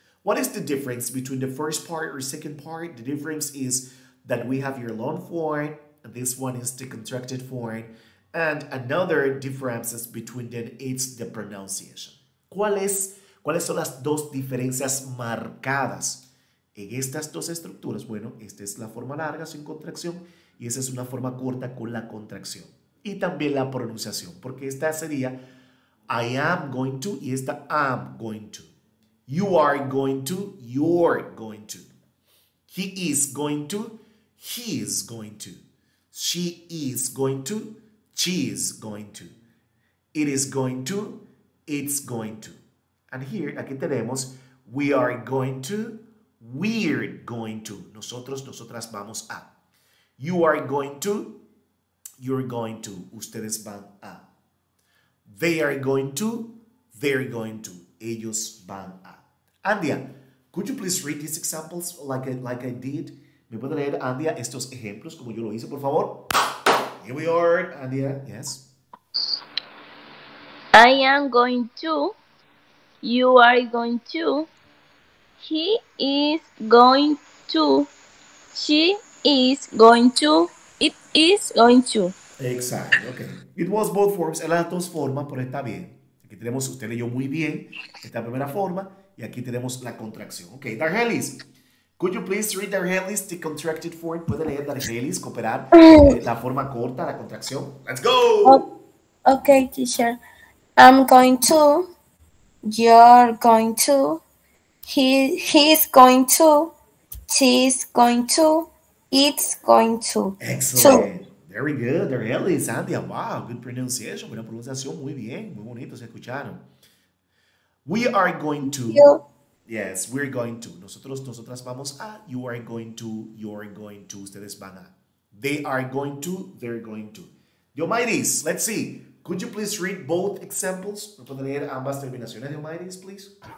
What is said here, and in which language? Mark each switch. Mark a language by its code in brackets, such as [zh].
[en] What is the difference between the first part or second part? The difference is that we have your long form. This one is the contracted form. And another difference between them is the pronunciation. [es] ¿Cuáles son las dos diferencias marcadas en estas dos estructuras? Bueno, esta es la forma larga sin contracción y esa es una forma corta con la contracción. Y también la pronunciación, porque esta sería [en] I am going to [es] y esta [en] am going to. You are going to, you're going to. He is going to, he is going to. She is going to, she is going to. It is going to, it's going to. And here, [es] aquí tenemos, [en] we are going to, we're going to. [es] Nosotros, nosotras vamos a. [en] You are going to, you're going to. [es] Ustedes van a. [en] They are going to, they're going to. [es] Ellos van a. [en] Andia, could you please read these examples like I did? [es] ¿Me puede leer, Andia, estos ejemplos como yo lo hice, por favor? [en] Here we are, Andia. Yes. I am going to, you are going to, he is going to, she is going to, it is going to. [es] Exacto, ok. [en] It was both forms, [es] eran las dos formas, pero está bien. Aquí tenemos, usted leyó muy bien esta primera forma y aquí tenemos la contracción. [en] Ok, Dargelis, could you please read Dargelis, the contracted form? [es] ¿Puede leer Dargelis, cooperar la forma corta, la contracción? [en] Let's go. Okay, teacher. I'm going to. You're going to. He's going to. She's going to. It's going to. To. [es] Excelente. [en] Very good, [es] Darielis, Andy, [en] wow, good pronunciation, [es] buena pronunciación, muy bien, muy bonito, se escucharon. [en] We are going to, You. yes, we're going to, [es] nosotros, nosotras vamos a, [en] you are going to, you're going to, [es] ustedes van a, [en] they are going to, they're going to. Diomaitis, let's see, could you please read both examples? [es] ¿Me pueden leer ambas terminaciones, Diomaitis, please?